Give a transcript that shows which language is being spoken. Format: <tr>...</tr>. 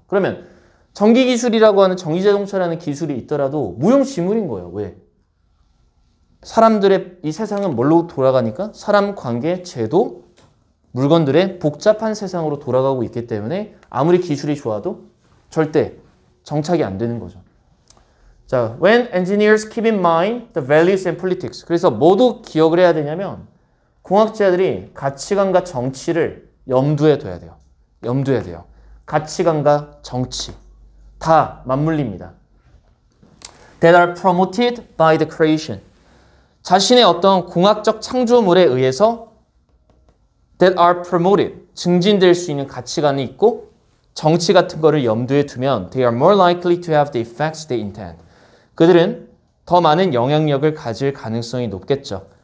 <ko>그러면 전기기술이라고 하는 전기자동차라는 기술이 있더라도 무용지물인 거예요. 왜? 사람들의 이 세상은 뭘로 돌아가니까? 사람 관계, 제도, 물건들의 복잡한 세상으로 돌아가고 있기 때문에 아무리 기술이 좋아도 절대 정착이 안 되는 거죠.</ko> <en>자, when engineers keep in mind the values and politics.</en> <ko>그래서 모두 기억을 해야 되냐면 공학자들이 가치관과 정치를 염두에 둬야 돼요. 염두에 돼요. 가치관과 정치. 다 맞물립니다.</ko> <en>That are promoted by the creation.</en> <ko>자신의 어떤 공학적 창조물에 의해서</ko> <en>that are promoted,</en> <ko>증진될 수 있는 가치관이 있고 정치 같은 거를 염두에 두면</ko> <en>they are more likely to have the effects they intend.</en> <ko>그들은 더 많은 영향력을 가질 가능성이 높겠죠.</ko>